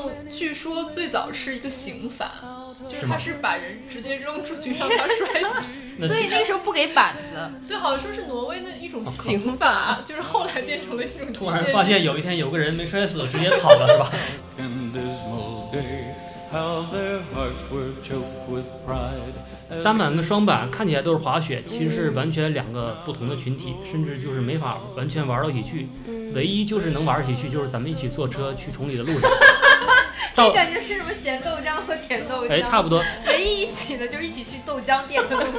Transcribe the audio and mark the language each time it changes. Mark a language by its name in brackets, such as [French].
[Chinese] 据说最早是一个刑罚，就是他是把人直接扔出去让他摔死，所以那个时候不给板子。对，好像说是挪威的一种刑法，就是后来变成了一种极限。突然发现有一天有个人没摔死，直接跑了是吧？ [English] In this old day, how their hearts were choked with pride。 [Chinese] 单板跟双板看起来都是滑雪，其实是完全两个不同的群体，甚至就是没法完全玩到一起去。唯一就是能玩一起去，就是咱们一起坐车去崇礼的路上。这感觉是什么咸豆浆和甜豆浆？哎，差不多。唯一一起的就是一起去豆浆店的路上。